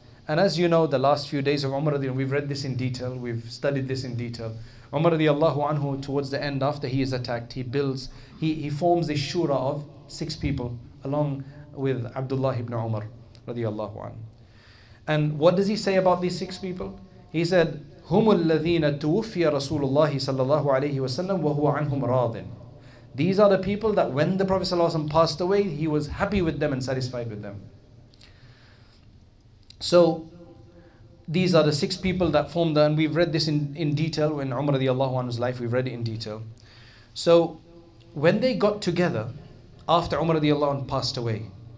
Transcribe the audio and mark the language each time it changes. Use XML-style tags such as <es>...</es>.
<en>And as you know, the last few days of Umar radiallahu anhu, we've read this in detail, we've studied this in detail. Umar radiallahu anhu, towards the end, after he is attacked, he forms a shura of six people, along with Abdullah ibn Umar radiallahu anhu. And what does he say about these six people? He said,</en> <ar>هُمُ الَّذِينَ تُوفِيَ رَسُولُ اللَّهِ صَلَّى اللَّهُ عَلَيْهِ وَسَلَّمُ وَهُوَ عَنْهُمْ رَاضٍ.</ar> <en>These are the people that when the Prophet ﷺ passed away, he was happy with them and satisfied with them. So these are the six people that formed them. And we've read this in detail in Umar radiallahu anhu's life. We've read it in detail. So when they got together after Umar radiallahu anhu passed away,</en>